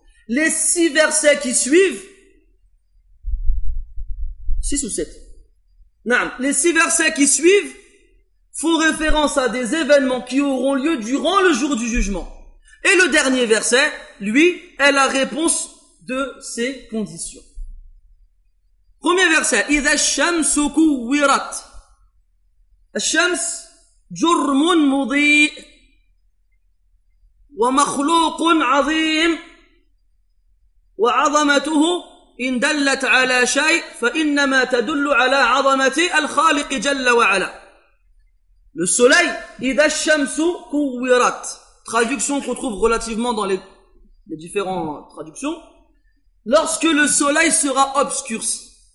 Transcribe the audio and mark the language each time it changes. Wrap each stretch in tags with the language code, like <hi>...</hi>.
<fr>Les 6 versets qui suivent, 6 ou 7. Non. Les 6 versets qui suivent font référence à des événements qui auront lieu durant le jour du jugement. Et le dernier verset, lui, est la réponse de ces conditions. Premier verset.</fr> <ar>Idha shamsu kuwirat. Ash-shams jurmun mudhi wa makhluqun azim wa 'azamatuhu إن دلت على شيء فإنما تدل على عظمة الخالق جل وعلا.</ar> <fr>Le soleil,</fr> <ar>إذا الشمس كورت.</ar> <fr>Traduction qu'on trouve relativement dans les différentes traductions. Lorsque le soleil sera obscurci.</fr>